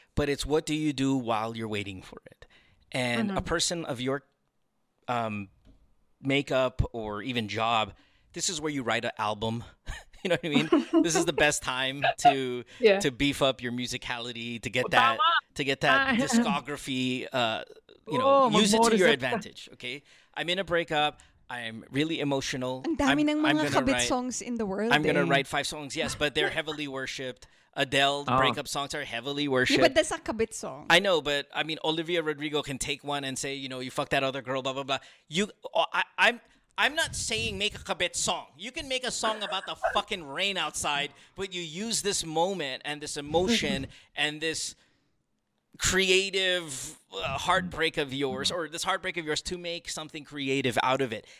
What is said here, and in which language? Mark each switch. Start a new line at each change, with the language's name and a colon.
English: But it's what do you do while you're waiting for it? And a person of your makeup or even job, this is where you write an album. You know what I mean? This is the best time to beef up your musicality, to get that discography, use it to your advantage, okay? I'm in a breakup. I'm really emotional.
Filipino: Ang dami ng mga kabit
English: songs in the world. I'm going to write 5 songs, yes, but they're heavily worshipped. Adele breakup songs are heavily worshipped. Yeah, but that's a kabit song. I know, but I mean, Olivia Rodrigo can take one and say, you know, you fucked that other girl, blah, blah, blah. I'm not saying make a kabit song. You can make a song about the fucking rain outside, but you use this moment and this emotion and this creative heartbreak of yours to make something creative out of it.